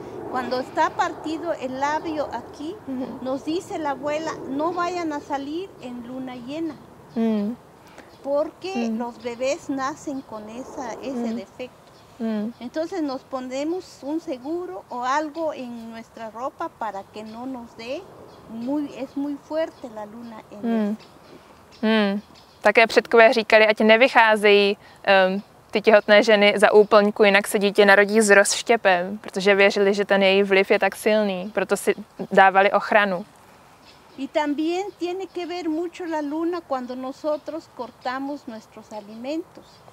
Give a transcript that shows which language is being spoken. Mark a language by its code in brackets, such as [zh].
[es] Cuando está partido el labio aquí, nos dice la abuela, no vayan a salir en luna llena. Porque los bebés nacen con ese defecto. Entonces nos ponemos un seguro o algo en nuestra ropa para que no nos dé. Es muy fuerte la luna en [cs] Také předkové říkali, ať nevycházejí ty těhotné ženy za úplňku, jinak se dítě narodí s rozštěpem, protože věřili, že ten její vliv je tak silný, proto si dávali ochranu. [es] Y también tiene que ver mucho la luna cuando nosotros cortamos nuestros alimentos.